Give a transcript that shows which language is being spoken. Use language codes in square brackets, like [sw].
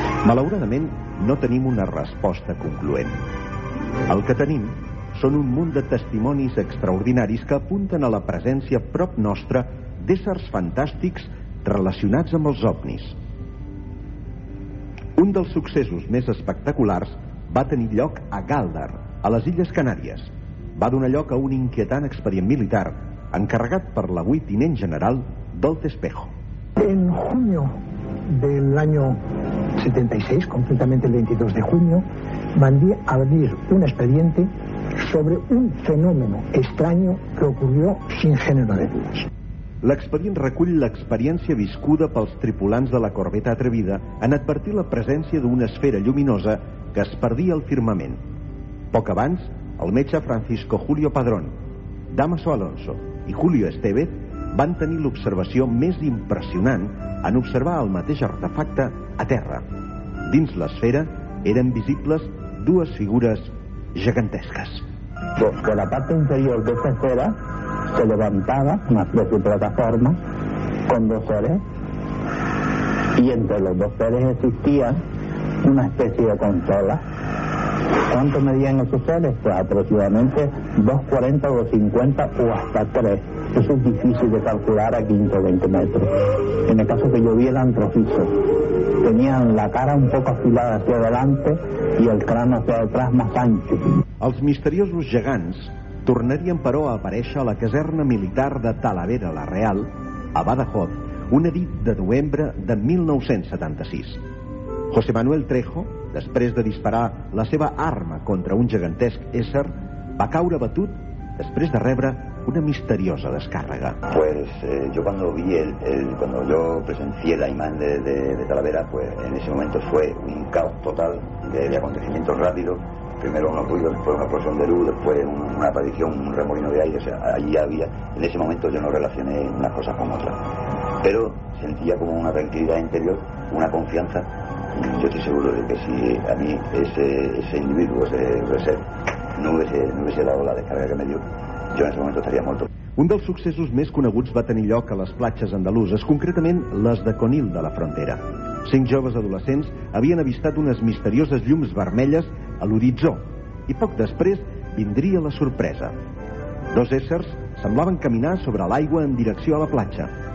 [ca] Malauradament, no tenim una resposta concloent. El que tenim són un munt de testimonis extraordinaris que apunten a la presència prop nostra d'éssers fantàstics relacionats amb els ovnis. Un dels successos més espectaculars va tenir lloc a Galdar, a les Illes Canàries. Va donar lloc a un inquietant expedient militar encarregat per l'avui tinent general Dolt Espejo. [es] En junio del año 76, concretamente el 22 de junio, mandé abrir un expediente sobre un fenómeno extraño que ocurrió sin género de dudas. [ca] L'expedient recull l'experiència viscuda pels tripulants de la corbeta atrevida en advertir la presència d'una esfera lluminosa que es perdia al firmament. Poc abans, el metge Francisco Julio Padrón, Damaso Alonso i Julio Estevez van tenir l'observació més impressionant en observar el mateix artefacte a terra. Dins l'esfera eren visibles dues figures gegantesques. [es] Pues que la parte interior de esta esfera se levantaba, una especie de plataforma, con dos seres, y entre los dos seres existía una especie de consola. ¿Cuánto medían esos seres? Pues aproximadamente 2,40, 2,50 o hasta 3. Eso es difícil de calcular a 15 o 20 metros. En el caso que yo vi, eran trofisos. Tenían la cara un poco afilada hacia adelante y el cráneo hacia atrás más ancho. [ca] Els misteriosos gegants tornarien, però, a aparèixer a la caserna militar de Talavera la Real, a Badajoz, un edit de novembre de 1976. José Manuel Trejo, després de disparar la seva arma contra un gegantesc ésser, va caure batut després de rebre una misteriosa descàrrega. [es] Pues yo cuando vi cuando yo presencié la imagen de Talavera, pues en ese momento fue un caos total de acontecimientos rápidos. Primero un ruido, después una explosión de luz, después una aparición, un remolino de aire, o sea, allí había, en ese momento yo no relacioné unas cosas con otras. Pero sentía como una tranquilidad interior, una confianza. Yo estoy seguro de que si a mí ese individuo, ese ser, no hubiese dado la descarga que me dio, yo en ese momento estaría muerto. [ca] Un dels successos més coneguts va tenir lloc a les platges andaluses, concretament les de Conil de la Frontera. Cinc joves adolescents havien avistat unes misterioses llums vermelles a l'horitzó i poc després vindria la sorpresa. Dos éssers semblaven caminar sobre l'aigua en direcció a la platja.